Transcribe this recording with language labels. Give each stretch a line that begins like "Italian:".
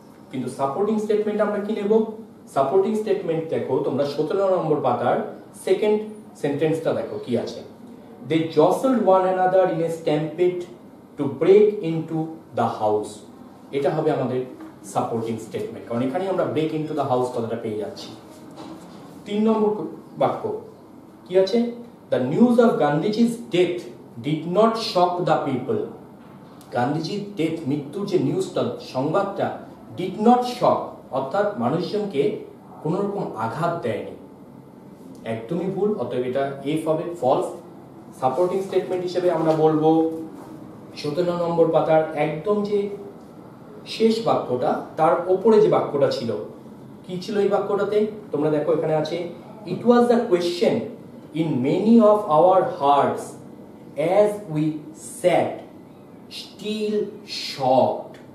Bangla: কিন্তু supporting statement আমরা কি নেব, সাপোর্টিং স্টেটমেন্ট দেখো তোমরা ১৭ নম্বর পাতার সেকেন্ড সেন্টেন্সটা দেখো কি আছে,
English: they jostled one another in a stampede to break into the house,
Bangla: এটা হবে আমাদের সাপোর্টিং স্টেটমেন্ট, কারণ এখানেই আমরা
English: break into the house
Bangla: কথাটা পেয়ে যাচ্ছি। তিন নম্বর বাক্য কি আছে,
English: The news of Gandhiji's death did not shock the people. Gandhiji's death,
Bangla: মৃত্যুর যে নিউজটা, সংবাদটা,
English: did not shock,
Bangla: অর্থাৎ মানুষজনকে কোনো রকম আঘাত দেয়নি। একদমই ভুল, অতএব এটা এফ হবে, ফলস। সাপোর্টিং স্টেটমেন্ট হিসেবে আমরা বলবো 17 নম্বর পাতার একদম যে শেষ বাক্যটা, তার ওপরে যে বাক্যটা ছিল, কি ছিল এই বাক্যটাতে, তোমরা দেখো এখানে আছে,
English: It was the question in many of our hearts as we sat still shocked.